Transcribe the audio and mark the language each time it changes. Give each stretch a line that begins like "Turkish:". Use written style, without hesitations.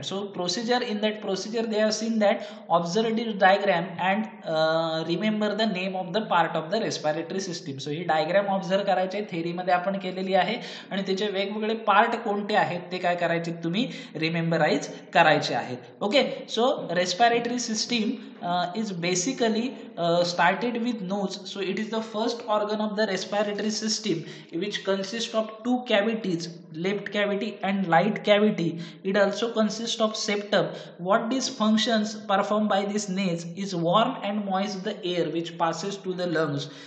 English: So procedure, in that procedure they have seen that observe this diagram and remember the name of the part of the respiratory system.
Marathi: So he diagram observe करायचे थेरीमध्ये आपण केलेली आहे आणि त्याचे वेगवेगळे part कोणते आहेत ते काय करायचे तुम्ही रिमेंबराइज करायचे आहेत.
English: Okay, so respiratory system is basically started with nose. So it is the first organ of the respiratory system which consist of two cavities, left cavity and right cavity. It also consist of septum. What this functions perform by this nose is warm and moist the air which passes to the lungs.